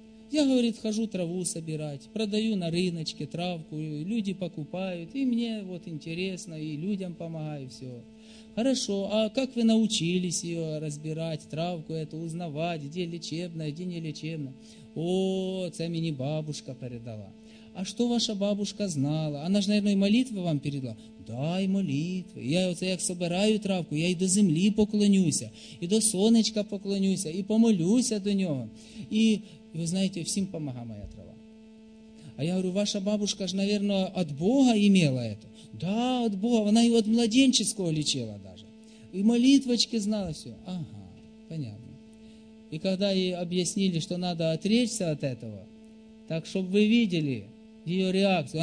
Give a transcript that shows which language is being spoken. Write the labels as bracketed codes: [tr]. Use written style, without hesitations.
[ru] Я, говорит, хожу траву собирать, продаю на рыночке травку, люди покупают, и мне вот интересно, и людям помогаю, все. Хорошо, а как вы научились ее разбирать, травку эту узнавать, где лечебная, где не лечебная? О, это мне бабушка передала. А что ваша бабушка знала? Она же, наверное, и молитвы вам передала. Да, и молитвы. Я вот як собираю травку, я и до земли поклонюся, и [uk] до сонечка поклонюся, [ru] и помолюся до нього. [uk] І ви знаєте, всім помагає моя трава. [ru] А я говорю, ваша бабушка ж, наверное, от Бога имела это. Да, от Бога. Вона і от младенческого лечила даже. І молитвочки знала все. Ага, понятно. І когда їй объяснили, що надо отречься от этого, так щоб ви видели ее реакцию.